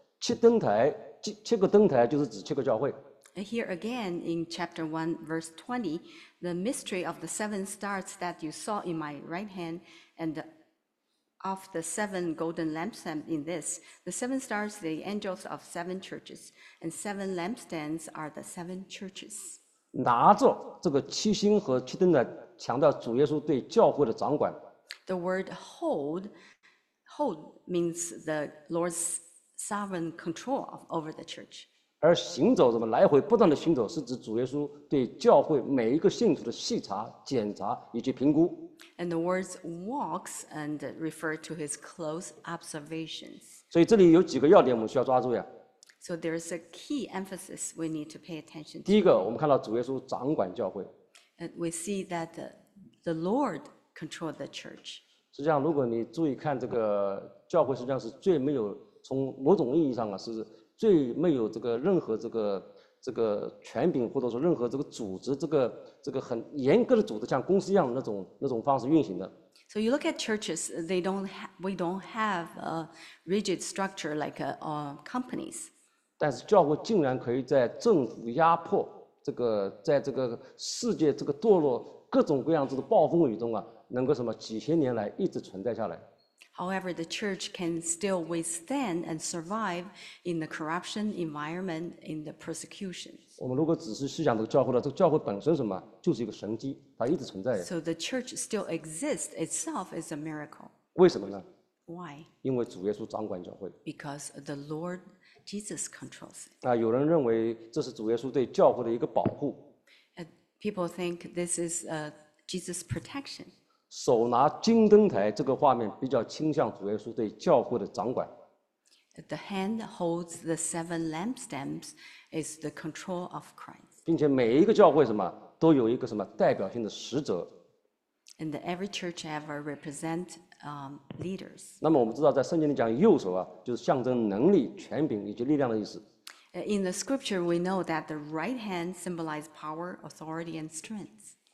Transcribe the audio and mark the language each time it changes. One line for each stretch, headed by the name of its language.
Chinese: 七个灯台就是指七个教会。
English: Here again, in chapter 1, verse 20, the mystery of the seven stars that you saw in my right hand and of the seven golden lampstands in this, the seven stars, the angels of seven churches, and seven lampstands are the seven churches.
Chinese: 拿着这个七星和七灯台强调主耶稣对教会的掌管。
English: The word hold means the Lord's sovereign control over the church.
Chinese: 而行走什么来回不断的行走是指主耶稣对教会每一个信徒的细查检查以及评估。
English: And the words walks and refer to his close observations.
Chinese: 所以这里有几个要点我们需要抓住呀。
English: So there's a key emphasis we need to pay attention to.
Chinese: 第一个我们看到主耶稣掌管教会。
English: And we see that the Lord controlled the church.
Chinese: 实际上如果你注意看这个教会实际上是最没有从某种意义上啊是最没有这个任何这个权柄或者说任何这个组织这个很严格的组织像公司一样那种方式运行的。
English: So you look at churches, we don't have a rigid structure like companies.
Chinese: 但是教会竟然可以在政府压迫这个在这个世界这个堕落各种各样子的暴风雨中啊，能够什么几千年来一直存在下来。
English: However, the church can still withstand and survive in the corruption environment, in the persecution.
Chinese: 我们如果只是思想这个教会的，这个教会本身什么，就是一个神迹，它一直存在。
English: So the church still exists itself as a miracle.
Chinese: 为什么呢
English: ？Why?
Chinese: 因为主耶稣掌管教会。
English: Because the Lord Jesus controls it.
Chinese: 啊，有人认为这是主耶稣对教会的一个保护。
English: People think this is Jesus' protection.
Chinese: 手拿金灯台这个画面比较倾向主耶稣对教会的掌管。
English: The hand holds the seven lampstands is the control of Christ.
Chinese: 并且每一个教会什么都有一个什么代表性的使者。
English: And every church ever represent leaders.
Chinese: 那么我们知道在圣经里讲右手啊就是象征能力权柄以及力量的意思。
English: In the scripture we know that the right hand symbolizes power, authority and strength.